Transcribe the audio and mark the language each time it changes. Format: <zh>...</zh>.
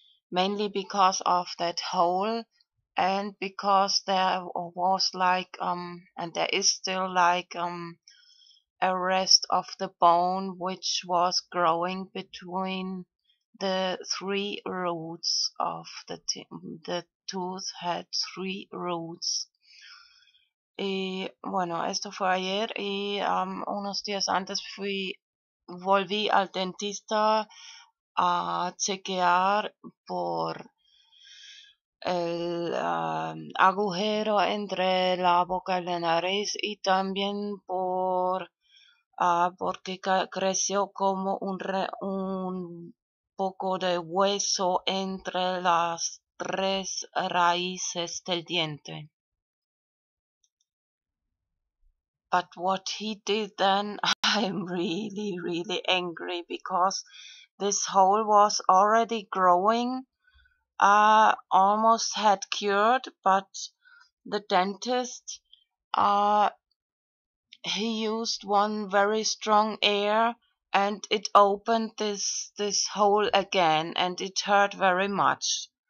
<en>mainly because of that hole, and because there was like and there is still like a rest of the bone which was growing between the three roots of the tooth had three roots.</en> <es>Y bueno, esto fue ayer, y unos días antes volví al dentista a chequear por el agujero entre la boca y la nariz, y también por porque creció como un poco de hueso entre las tres raíces del diente.</es> <en>But what he did then, I'm really, really angry, because this hole was already growing, almost had cured, but the dentist, he used one very strong air and it opened this hole again, and it hurt very much.</en>